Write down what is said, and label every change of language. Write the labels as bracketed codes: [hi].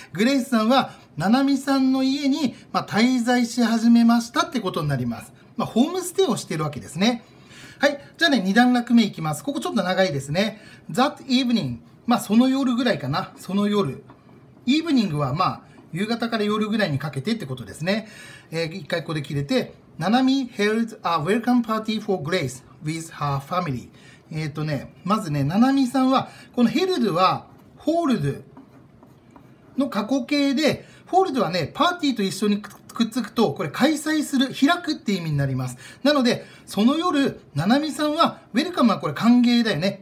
[ja] グレイスさんはナナミさんの家に、まあ、滞在し始めましたってことになります。まあ、ホームステイをしているわけですね。はい、じゃあね、2段落目いきます。ここちょっと長いですね。 [en] That evening、 [ja] まあその夜ぐらいかな、その夜。 evening はまあ夕方から夜ぐらいにかけてってことですね。一回ここで切れて、 [en] ナナミ held a welcome party for Grace with her family。 [ja] まずね、ナナミさんは、この held は hold の過去形で、 hold はね、パーティーと一緒にくっつくと、これ開催する、開くって意味になります。なので、その夜、ななみさんは、ウェルカムはこれ歓迎だよね。